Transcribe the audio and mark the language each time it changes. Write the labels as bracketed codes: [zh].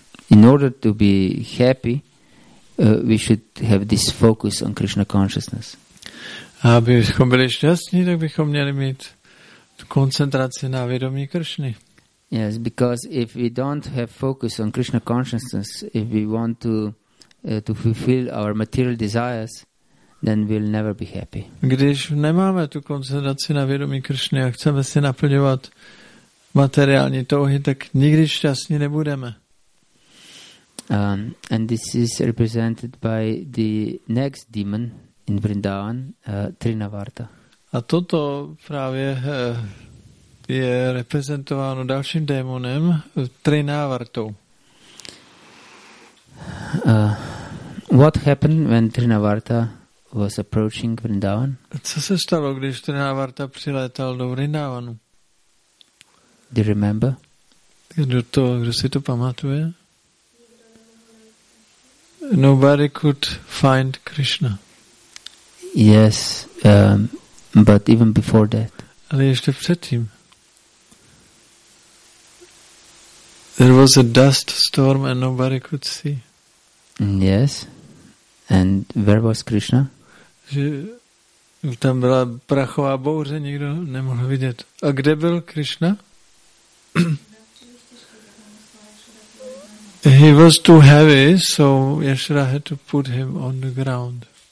[en] In order to be happy, we should have this focus on Krishna consciousness. [cs] Abychom byli šťastní, tak bychom měli mít tu koncentraci na vědomí Kršny. [en] Yes, because if we don't have focus on Krishna consciousness, if we want to fulfill our material desires, then we'll never be happy. [cs] Když nemáme tu koncentraci na vědomí Kršny a chceme si naplňovat materiální touhy, tak nikdy šťastní nebudeme. [en] And this is represented by the next demon in Vrindavan, Trinavarta. [cs] A toto právě je reprezentováno dalším démonem, Trinavartou. [en] What happened when Trinavarta was approaching Vrindavan? [cs] Co se stalo, když Trinavarta přilétal do Vrindavanu? [en] Do you remember? [cs] Kdo si to pamatuje? [en] Nobody could find Krishna. Yes, but even before that. [cs] Ale ještě předtím. [en] There was a dust storm and nobody could see. Yes, and where was Krishna? [cs] Že tam byla prachová bouře, nikdo nemohl vidět. A kde byl Krishna? [en] He was too heavy, so Yashoda had to put him on the ground.